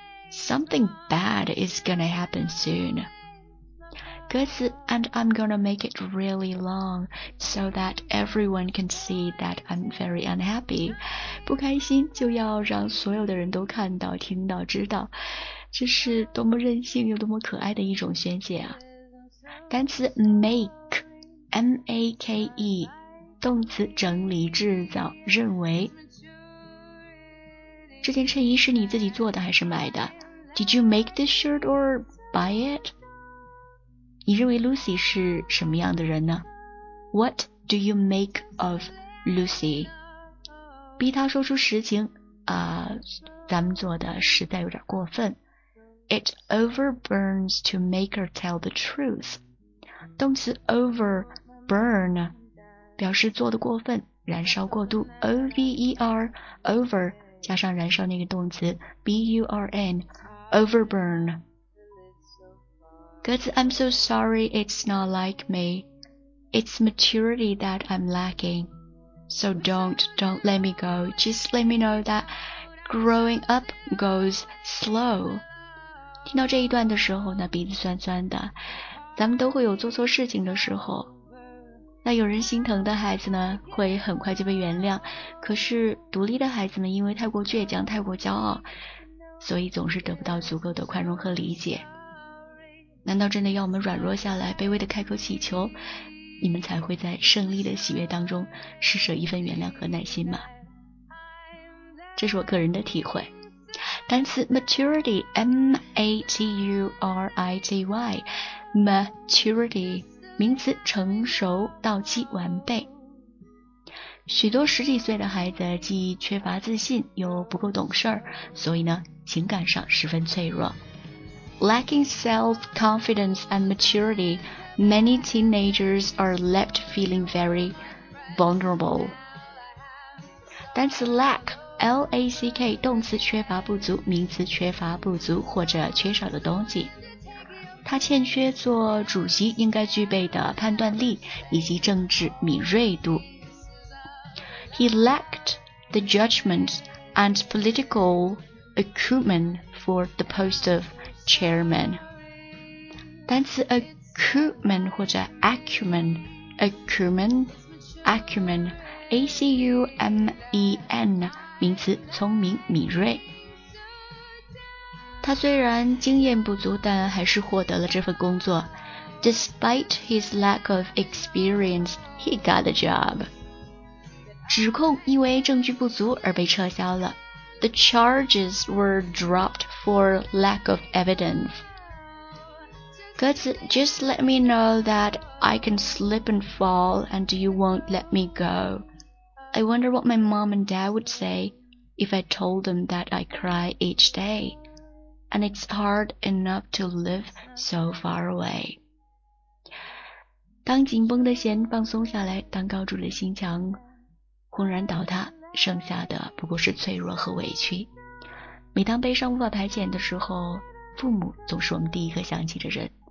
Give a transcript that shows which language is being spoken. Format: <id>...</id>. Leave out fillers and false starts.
<en>Something bad is gonna happen soon。</en> <zh>歌词</zh> <en>And I'm gonna make it really long so that everyone can see that I'm very unhappy，</en> <zh>不开心就要让所有的人都看到听到知道，这是多么任性又多么可爱的一种宣泄啊。单词 make， M-A-K-E， 动词整理制造认为。这件衬衣是你自己做的还是买的？</zh> <en>Did you make this shirt or buy it？</en> <zh>你认为 Lucy 是什么样的人呢？</zh> <en>What do you make of Lucy？</en> <zh>逼他说出实情啊，咱们做的实在有点过分。</zh> <en>It overburns to make her tell the truth。</en> <zh>动词 overburn 表示做得过分，燃烧过度。 O-V-E-R over 加上燃烧那个动词 B-U-R-N overburn。歌词</zh> <en>I'm so sorry it's not like me， It's maturity that I'm lacking， So don't let me go， Just let me know that growing up goes slow。</en> <zh>听到这一段的时候呢，鼻子酸酸的，咱们都会有做错事情的时候，那有人心疼的孩子呢会很快就被原谅，可是独立的孩子们因为太过倔强太过骄傲，所以总是得不到足够的宽容和理解。难道真的要我们软弱下来卑微的开口祈求，你们才会在胜利的喜悦当中施舍一份原谅和耐心吗？这是我个人的体会。单词 maturity， M-A-T-U-R-I-T-Y， maturity 名词，成熟到期完备。许多十几岁的孩子既缺乏自信又不够懂事儿，所以呢情感上十分脆弱。</zh> <en>Lacking self-confidence and maturity， many teenagers are left feeling very vulnerable。</en> <zh>单词 lackLACK 动词缺乏不足，名词缺乏不足或者缺少的东西。他欠缺做主席应该具备的判断力以及政治敏锐度。</zh> <en>He lacked the judgment and political acumen for the post of chairman。</en> <zh>单词 acumen 或者 acumen A-C-U-M-E-N名词，聪明敏锐。他虽然经验不足，但还是获得了这份工作。</zh> <en>Despite his lack of experience, he got the job。</en> <zh>指控因为证据不足而被撤销了。</zh> <en>The charges were dropped for lack of evidence。</en> <zh>歌词</zh> <en>Just let me know that I can slip and fall and you won't let me go。 I wonder what my mom and dad would sayIf I told them that I cry each day, and it's hard enough to live so far away.</en> <zh>当紧绷的弦放松下来，当高筑的心墙轰然倒塌，剩下的不过是脆弱和委屈。每当悲伤无法排遣的时候，父母总是我们第一个想起的人。</zh>